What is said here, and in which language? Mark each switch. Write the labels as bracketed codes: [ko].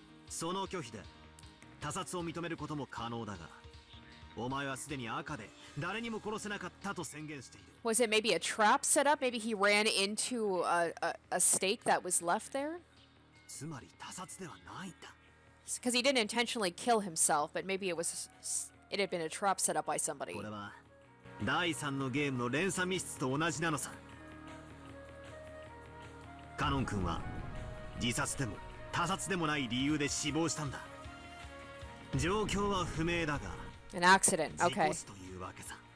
[ja] その拒否で他殺を認めることも可能だが、お前はすでに赤で誰にも殺せなかったと宣言している。 [en] Was it maybe a trap set up? Maybe he ran into a stake that was left there? [ja] つまり他殺ではないんだ。 [en] Because he didn't intentionally kill himself, but maybe it had been a trap set up by somebody. [ja] これは第三のゲームの連鎖密室と同じなのさ。カノン君は自殺でも他殺でもない理由で死亡したんだ。状況は不明だが。 [en] An accident. Okay. [ja] 事故というわけさ。